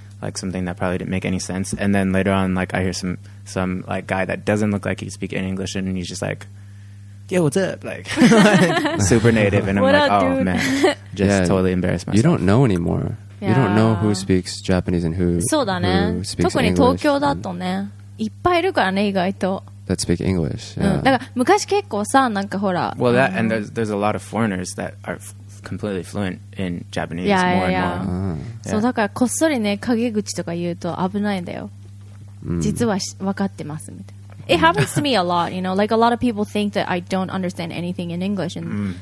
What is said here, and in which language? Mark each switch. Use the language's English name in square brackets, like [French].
[English] like something that probably didn't make any sense, and then later on like I hear some like guy that doesn't look like he speak in English and he's just like, yeah, what's up, like super native, and I'm oh、 dude? man, just、 yeah. totally embarrassed myself. You don't know anymore、yeah. you don't know who speaks Japanese and who speaks English. [Japanese] 特に東京だとねいっぱいいるからね意外と。 [English] That speak English、yeah. [Japanese] うん、だから昔結構さなんかほら、 [English] well that、and there's a lot of foreigners that areCompletely fluent in Japanese yeah, more yeah, and more. Yeah. Uh-huh. Yeah. So, [Japanese] だからこっそりね陰口とか言うと危ないんだよ。実は分かってますみたいな。 [English] It happens to me a lot, you know. Like a lot of people think that I don't understand anything in English, and、mm.